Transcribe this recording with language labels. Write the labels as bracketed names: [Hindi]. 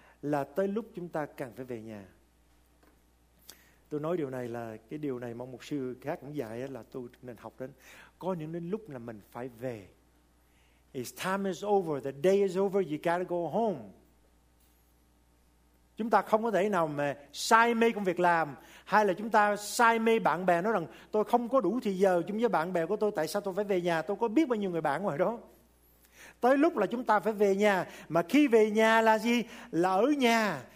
[Vietnamese] là tới lúc chúng ta cần phải về nhà. Tôi nói điều này là cái điều này mong mục sư khác cũng dạy là tôi nên học đến. Có những đến lúc là mình phải về. [English] His time is over, the day is over, you gotta go home. [Vietnamese] Chúng ta không có thể nào mà say mê công việc làm, hay là chúng ta say mê bạn bè, nói rằng tôi không có đủ thời giờ chung với bạn bè của tôi, tại sao tôi phải về nhà, tôi có biết bao nhiêu người bạn ngoài đó. Tới lúc là chúng ta phải về nhà, mà khi về nhà là gì? Là ở nhà.